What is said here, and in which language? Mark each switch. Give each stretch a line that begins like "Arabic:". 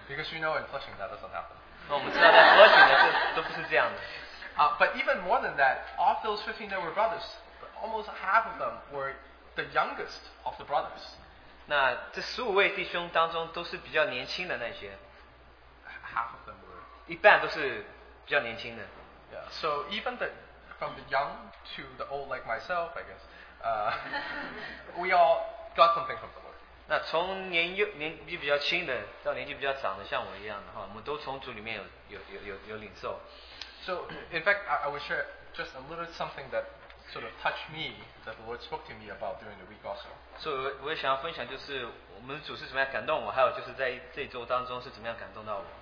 English: Because you know in Flushing that doesn't happen.
Chinese: 那我们知道在Flushing的这都不是这样的。
English: But even more than that, of those 15 that were brothers, almost half of them were the youngest of the brothers.
Chinese: 那这十五位弟兄当中都是比较年轻的那些。
English: Half of them were.
Chinese: 一半都是比较年轻的。
English: Yeah, so even the, from the young to the old like myself, I guess, we all got something from the Lord.
Chinese: 那从年纪比较轻的到年纪比较长的像我一样的话，我们都从主里面有领受。
English: So in fact, I will share just a little something that sort of touched me that the Lord spoke to me about during the week also.
Chinese: So 我想要分享就是我们主是怎么样感动我，还有就是在这周当中是怎么样感动到我。